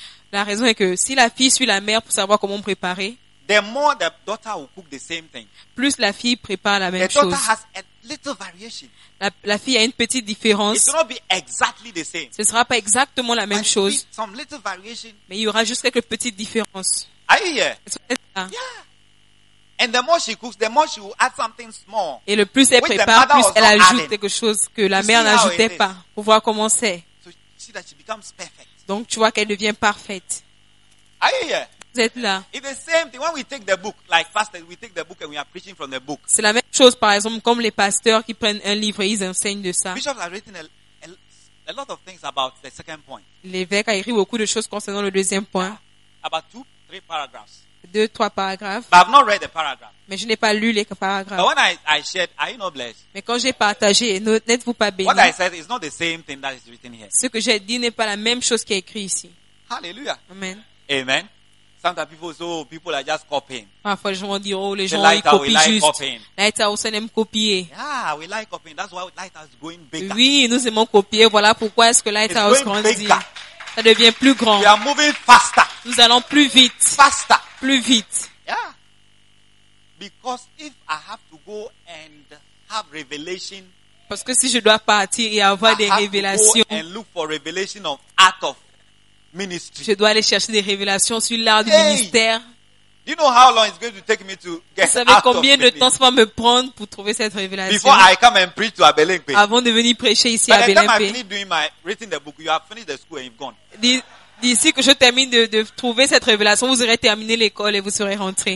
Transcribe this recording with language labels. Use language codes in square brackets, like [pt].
[fr] La raison est que si la fille suit la mère pour savoir comment préparer, [en] the more the daughter will cook the same thing. [fr] Plus la fille prépare la même [en] the [fr] chose. [en] Daughter has a little variation. [fr] La fille a une petite différence. [en] It will not be exactly the same. [fr] Ce ne sera pas exactement la même [en] and [fr] chose. [en] Some little variation. [fr] Mais il y aura juste quelques petites différences. [en] Are you here? [fr] Est-ce que vous êtes là? [en] Yeah. And the more she cooks, the more she will add something small. [fr] Et le plus elle prépare, plus elle ajoute adding. Quelque chose que la [en] to [fr] mère n'ajoutait pas. Pour voir comment c'est. [en] So she, that she becomes perfect. [fr] Donc tu vois qu'elle devient parfaite. [en] Are you here? [fr] Vous êtes là. [en] It's the same thing when we take the book, like pastors, we take the book and we are preaching from the book. [fr] C'est la même chose, par exemple, comme les pasteurs qui prennent un livre et ils enseignent de ça. [en] Bishop has written a lot of things about the second point. [fr] L'évêque a écrit beaucoup de choses concernant le deuxième point. [en] Yeah. About 2-3 paragraphs. [fr] Deux, trois paragraphes. [en] But I've not read the paragraph. [fr] Mais je n'ai pas lu les paragraphes. [en] But when I shared, are you not blessed? [fr] Mais quand j'ai partagé, n'êtes-vous pas béni? [en] What I said is not the same thing that is written here. [fr] Ce que j'ai dit n'est pas la même chose qui est écrit ici. [en] Hallelujah. Amen. Amen. Sometimes people are just copying. [fr] Parfois, je vais dire, oh, les [en] the [fr] gens ils copient [en] like [fr] juste. [en] Copying. [fr] Lighthouse, on aime copier. [en] Yeah, we like copying. That's why Lighthouse is going bigger. [fr] Oui, nous aimons copier. Voilà pourquoi est-ce que Lighthouse grandit. [en] Bigger. [fr] Ça devient plus grand. [en] We are moving faster. [fr] Nous allons plus vite. [en] Faster. [fr] Plus vite. [en] Yeah. Because if I have to go and have revelation [fr] Parce que si je dois partir et avoir des révélations, [en] and look for revelation of art of ministry. [fr] Je dois aller chercher des révélations sur l'art du ministère. [en] Do you know how long it's going to take me to get? [fr] Vous savez combien de temps ça va me prendre pour trouver cette révélation? [en] Before I come and preach to Abelenpe. [fr] Avant de venir prêcher ici à Abelenpe. [en] By the time I finish doing my writing the book, you have finished the school and you've gone. [fr] D'ici que je termine de trouver cette révélation, vous aurez terminé l'école et vous serez rentré.